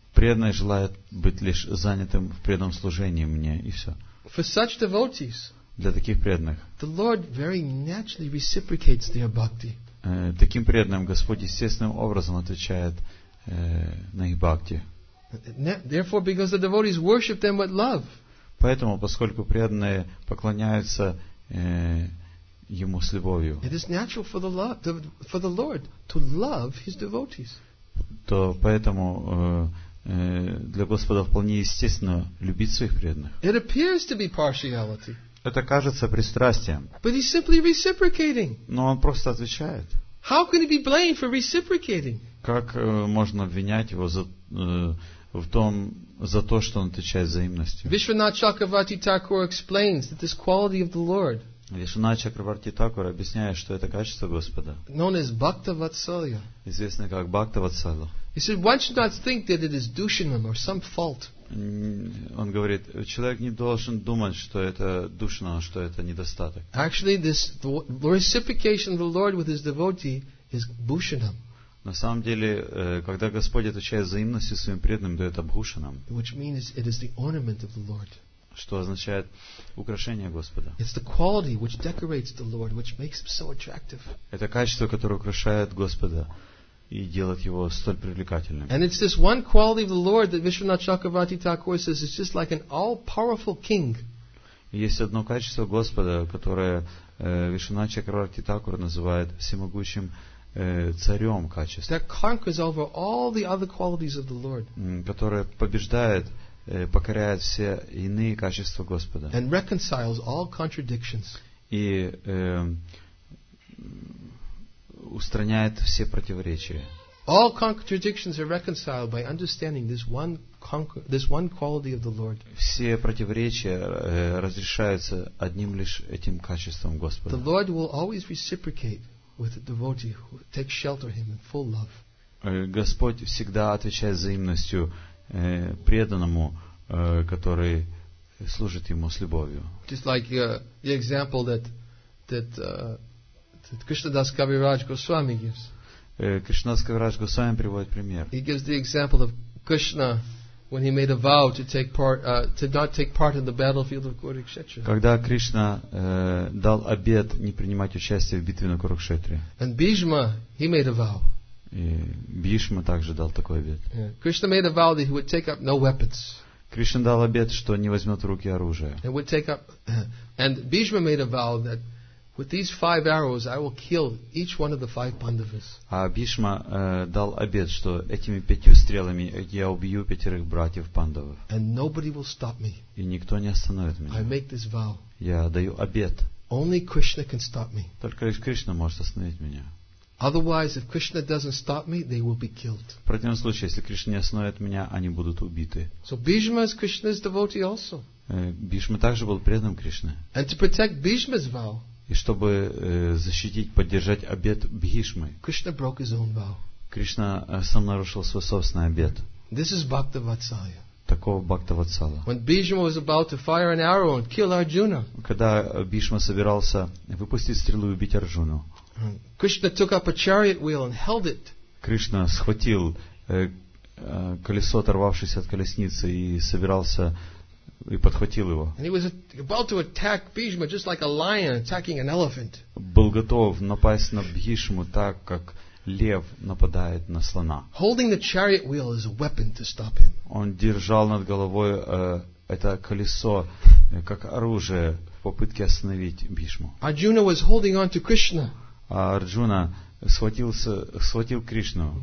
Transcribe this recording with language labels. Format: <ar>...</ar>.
<ru>Преданные желают быть лишь занятым в преданном служении мне и все.</ru> <en>For such devotees,</en> <ru>для таких преданных,</ru> <en>the Lord very naturally reciprocates their bhakti.</en> <ru>Таким преданным Господь естественным образом отвечает на их бхакти.</ru> <en>Therefore, because the devotees worship them with love.</en> <ru>Поэтому, поскольку преданные поклоняются ему с любовью,</ru> <en>it is natural for the Lord to love his devotees.</en> <ru>То поэтому для Господа вполне естественно любить своих преданных.</ru> <en>It appears to be partiality.</en> <ru>Это кажется пристрастием.</ru> <en>But he's simply reciprocating.</en> <ru>Но он просто отвечает.</ru> <en>How can he be blamed for reciprocating?</en> <ru>Как можно обвинять его за в том за то, что он отвечает взаимностью?</ru> <en>Vishwanath Chakravarti Thakur explains that this quality of the Lord.</en> <ru>Vishwanath Chakravarti Thakur объясняет, что это качество Господа.</ru> <en>Known as Bhakta Vatsalya.</en> <ru>Известно как Бхакта Ватсалья.</ru> <en>He said, one should not think that it is Dushanam or some fault.</en> <ru>Он говорит, человек не должен думать, что это душно, что это недостаток.</ru> <en>Actually, this reciprocation of the Lord with his devotee is bhushanam.</en> <ru>На самом деле, когда Господь отвечает взаимностью своим преданным, то это бхушанам.</ru> <en>Which means it is the ornament of the Lord.</en> <ru>Что означает украшение Господа.</ru> <en>It's the quality which decorates the Lord, which makes him so attractive.</en> <ru>Это качество, которое украшает Господа. И делать его столь привлекательным.</ru> <en>And it's this one quality of the Lord that Vishwanath Chakravarti Thakur says is just like an all-powerful king.</en> <ru>Есть одно качество Господа, которое Вишванат Чакраварти Такур называет всемогущим царем качеством.</ru> <en>That conquers over all the other qualities of the Lord.</en> <ru>Которое побеждает, покоряет все иные качества Господа.</ru> <en>And reconciles all contradictions.</en> <ru>И устраняет все противоречия.</ru> <en>All contradictions are reconciled by understanding this one quality of the Lord.</en> <ru>Все противоречия разрешаются одним лишь этим качеством Господа.</ru> <en>The Lord will always reciprocate with a devotee who takes shelter him in full love.</en> <ru>Господь всегда отвечает взаимностью преданному, который служит ему с любовью.</ru> <en>Just like the example that Krishnadas Kaviraj Goswami gives.</en> <ru>Krishnadas Kaviraj Goswami приводит пример.</ru> <en>He gives the example of Krishna when he made a vow to take part, to not take part in the battlefield of Kurukshetra.</en> <ru>Когда Кришна дал обет не принимать участие в битве на Курукшетре.</ru> <en>And Bhishma, he made a vow.</en> <ru>Бхишма также дал такой обет.</ru> <en>Yeah. Krishna made a vow that he would take up no weapons.</en> <ru>Кришна дал обет, что не возьмет в руки оружие.</ru> <en>And would take up, and Bhishma made a vow that with these five arrows, I will kill each one of the five Pandavas.</en> <ru>А Бхишма дал обет, что этими пятью стрелами я убью пятерых братьев Пандавов.</ru> <en>And nobody will stop me.</en> <ru>И никто не остановит меня.</ru> <en>I make this vow.</en> <ru>Я даю обет.</ru> <en>Only Krishna can stop me.</en> <ru>Только лишь Кришна может остановить меня.</ru> <en>Otherwise, if Krishna doesn't stop me, they will be killed.</en> <ru>В противном случае, если Кришна не остановит меня, они будут убиты.</ru> <en>So Bhishma is Krishna's devotee also.</en> <ru>Бхишма также был преданным Кришны.</ru> <en>And to protect Bhishma's vow.</en> <ru>И чтобы защитить, поддержать обет Бхишмы.</ru> <en>Krishna broke his own vow.</en> <ru>Кришна сам нарушил свой собственный обет.</ru> <en>This is Bhakta Vatsalya.</en> <ru>Такого Бхакта Ватсала.</ru> <en>When Bhishma was about to fire an arrow and kill Arjuna.</en> <ru>Когда Бхишма собирался выпустить стрелу и убить Арджуну.</ru> <en>Krishna took up a chariot wheel and held it.</en> <ru>Кришна схватил колесо, оторвавшееся от колесницы, и собирался и подхватил его.</ru> <en>And he was about to attack Bhishma just like a lion attacking an elephant.</en> <ru>Был готов напасть на Бхишму так, как лев нападает на слона.</ru> <en>Holding the chariot wheel is a weapon to stop him.</en> <ru>Он держал над головой это колесо как оружие в попытке остановить Бхишму.</ru> <en>Arjuna was holding on to Krishna.</en> <ru>А Арджуна схватил Кришну.</ru>